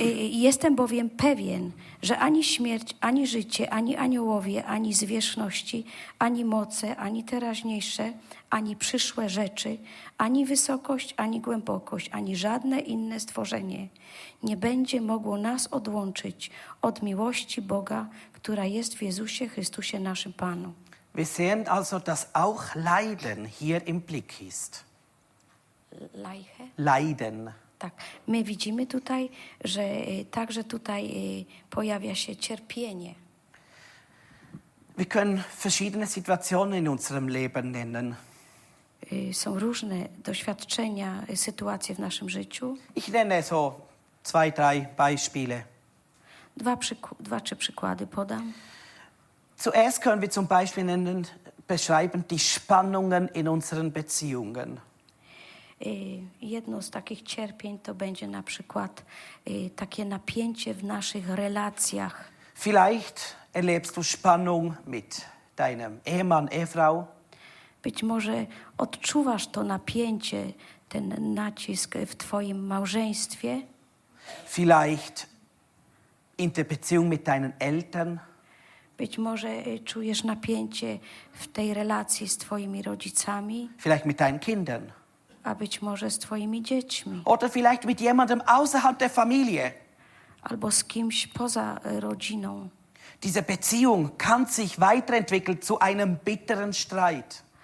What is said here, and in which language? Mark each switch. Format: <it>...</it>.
<pl>Jestem bowiem pewien, że ani śmierć, ani życie, ani aniołowie, ani zwierzchności, ani moce, ani teraźniejsze, ani przyszłe rzeczy, ani wysokość, ani głębokość, ani żadne inne stworzenie nie będzie mogło nas odłączyć od miłości Boga, która jest w Jezusie Chrystusie naszym Panu.</pl> <de>Wir sehen also, dass auch Leiden hier im Blick ist. Leiche? Leiden.</de> <pl>Tak, my widzimy tutaj, że także tutaj pojawia się cierpienie.</pl> <de>Wir können verschiedene Situationen in unserem Leben nennen.</de> <pl>Są różne doświadczenia, sytuacje w naszym życiu.</pl> <de>Ich nenne so zwei, drei Beispiele.</de> <pl>Dwa, trzy przykłady podam.</pl> <de>Zuerst können wir zum Beispiel nennen, beschreiben die Spannungen in unseren Beziehungen.</de> <pl>Jedno z takich cierpień to będzie na przykład takie napięcie w naszych relacjach.</pl> <de>Vielleicht erlebst du Spannung mit deinem Ehemann, Ehefrau.</de> <pl>Być może odczuwasz to napięcie, ten nacisk w twoim małżeństwie.</pl> <de>Vielleicht in der Beziehung mit deinen Eltern.</de> <pl>Być może czujesz napięcie w tej relacji z twoimi rodzicami.</pl> <de>Vielleicht mit deinen Kindern.</de> <pl>A być może z twoimi dziećmi.</pl> <de>Oder vielleicht mit jemandem außerhalb der Familie.</de> <pl>Albo z kimś poza rodziną.</pl> <de>Diese Beziehung kann sich weiterentwickeln zu einem bitteren Streit.</de>